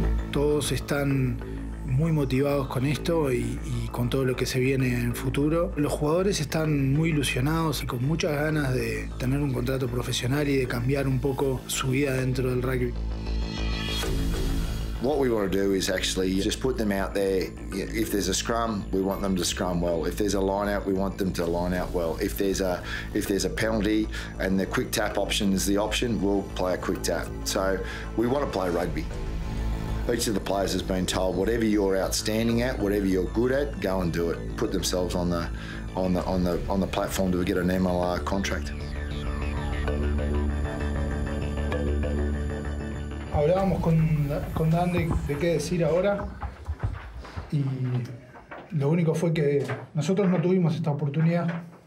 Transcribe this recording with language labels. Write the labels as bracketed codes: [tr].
[es] Todos están muy motivados con esto y con todo lo que se viene en el futuro. Los jugadores están muy ilusionados y con muchas ganas de tener un contrato profesional y de cambiar un poco su vida dentro del rugby. [en] What we want to do is actually just put them out there. If there's a scrum, we want them to scrum well. If there's a line out, we want them to line out well. If there's a penalty and the quick tap option is the option, we'll play a quick tap. So we want to play rugby. Each of the players has been told, whatever you're outstanding at, whatever you're good at, go and do it. Put themselves on the platform to get an MLR contract. [es] hablábamos con Dan de qué decir ahora y lo único fue que nosotros no tuvimos esta oportunidad.